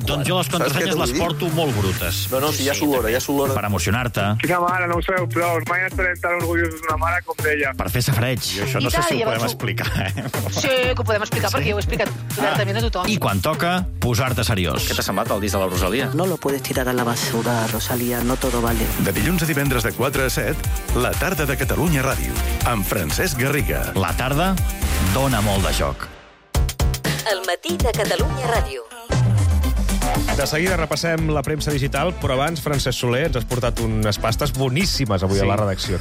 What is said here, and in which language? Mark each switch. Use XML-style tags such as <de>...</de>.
<ca>doncs quan. Jo les contrasenyes les porto molt brutes. No, si sí, ja s'olora, ja s'olora. Per emocionar-te. Quina mare, no ho sabeu, però mai estarem tan orgullosos d'una mare com d'ella. Per fer safareig. I això no sé si ho podem explicar, eh? Sí, que ho podem explicar, sí. Perquè ho he explicat directament a tothom. I quan toca, posar-te seriós. Què t'ha semblat el disc de la Rosalía?</ca> <es>No lo puedes tirar a la basura, Rosalía, no todo vale.</es> <ca>De dilluns a divendres de 4 a 7, la tarda de Catalunya Ràdio, amb Francesc Garriga. La tarda dona molt de joc. El matí de Catalunya Ràdio. De seguida repassem la premsa digital, però abans, Francesc Soler, ens has portat unes pastes boníssimes avui, sí, a la redacció.</ca>